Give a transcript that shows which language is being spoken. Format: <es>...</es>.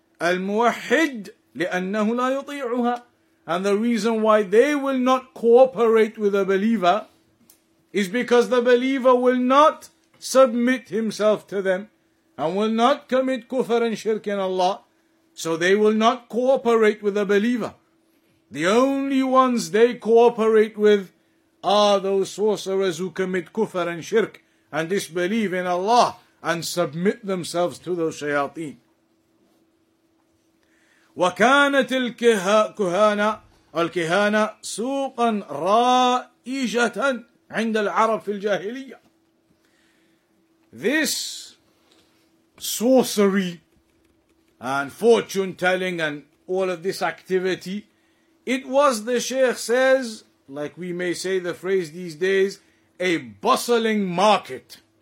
<ar>Al-muwahhid li'annahu la yuti'uha.</ar> <en>And the reason why they will not cooperate with a believer is because the believer will not submit himself to them and will not commit kufr and shirk in Allah. So they will not cooperate with a believer. The only ones they cooperate with are those sorcerers who commit kufr and shirk and disbelieve in Allah and submit themselves to those shayateen.</en> <ar>وكانت الكهانة الكهانة سوقا رائجة عند العرب في الجاهلية.</ar> <en>This sorcery and fortune telling and all of this activity, it was, the Sheikh says, like we may say the phrase these days, a bustling market.</en>